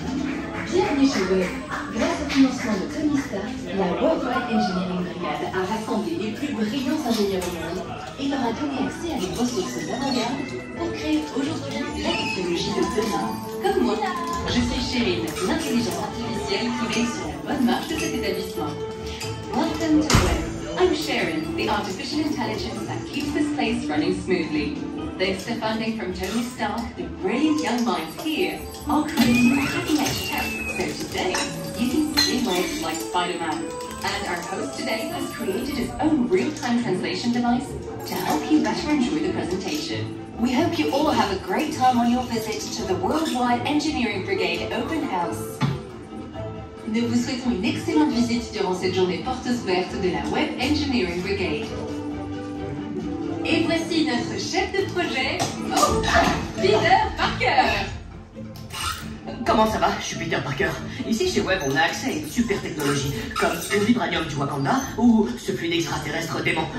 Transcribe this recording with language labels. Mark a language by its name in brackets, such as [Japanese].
[French] commencement de Tonista, la Worldwide Engineering Brigade a rassemblé les plus brillants ingénieurs du monde et leur a donné accès à des ressources d'avant-garde pour créer aujourd'hui la technologie de demain. Comme moi, je suis Chérine, l'intelligence artificielle qui veille sur la bonne marche de cet établissement. [English] Welcome to the web. I'm Chérine, the artificial intelligence that keeps this place running smoothly. Thanks to funding from Tony Stark, the brilliant young minds here are creating cutting-edge tech. So today, you can see legs like Spider-Man. And our host today has created his own real-time translation device to help you better enjoy the presentation. We hope you all have a great time on your visit to the Worldwide Engineering Brigade Open House. [French] Nous vous souhaitons une excellente visite durant cette journée portes ouvertes de la Web Engineering Brigade. Et voici notre chef de projet, Peter Parker. Comment ça va? Je suis Peter Parker. Ici, chez Web, on a accès à une super technologie, comme le vibranium du Wakanda ou ce fluide extraterrestre dément.